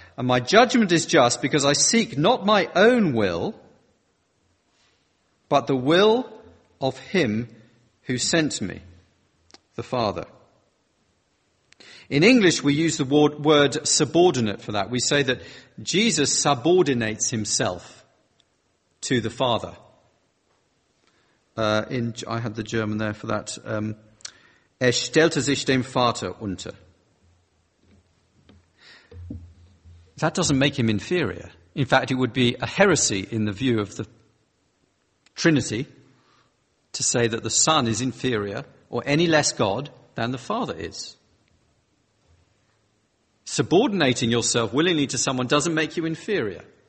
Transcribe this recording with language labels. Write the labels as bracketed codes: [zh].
[en] And my judgment is just because I seek not my own will, but the will of him who sent me, the Father. In English, we use the word subordinate for that. We say that Jesus subordinates himself to the Father. I had the German there for that. [de] Er stellte sich dem Vater unter. [en] That doesn't make him inferior. In fact, it would be a heresy in the view of the Trinity to say that the Son is inferior or any less God than the Father is. Subordinating yourself willingly to someone doesn't make you inferior.